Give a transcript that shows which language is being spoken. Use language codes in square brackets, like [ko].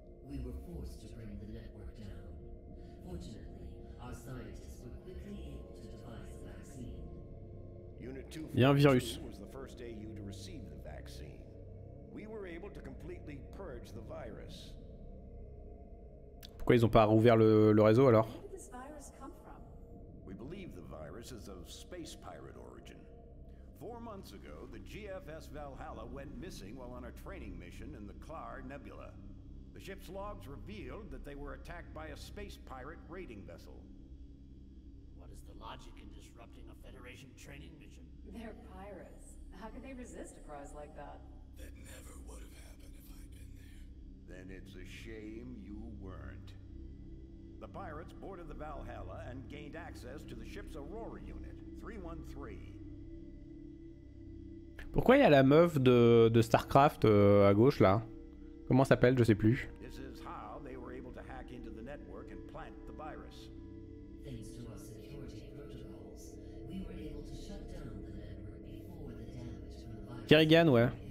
[en] We were forced to bring the network down. Fortunately, our scientists were quickly able to devise the vaccine. Unit 242 was the first AU to receive the vaccine. We were able to completely purge the virus. [fr] Pourquoi ils ont pas rouvert le réseau alors? [en] Where did this virus come from? We believe the virus is of space pirate origin. 4 months ago, the GFS Valhalla went missing while on a training mission in the Klar Nebula. The ship's logs revealed that they were attacked by a space pirate raiding vessel. What is the logic in disrupting a Federation training mission? They're pirates. How could they resist a prize like that? That never would have happened if I'd been there. Then it's a shame you weren't. The pirates boarded the Valhalla and gained access to the ship's Aurora unit, 313. [fr] Pourquoi il y a la meuf de StarCraft à gauche là? Comment s'appelle? Je sais plus. [en] This is how they were able to hack into the network and plant the virus. Thanks to our security protocols, we were able to shut down the network before the damage from the virus. Kerrigan, ouais.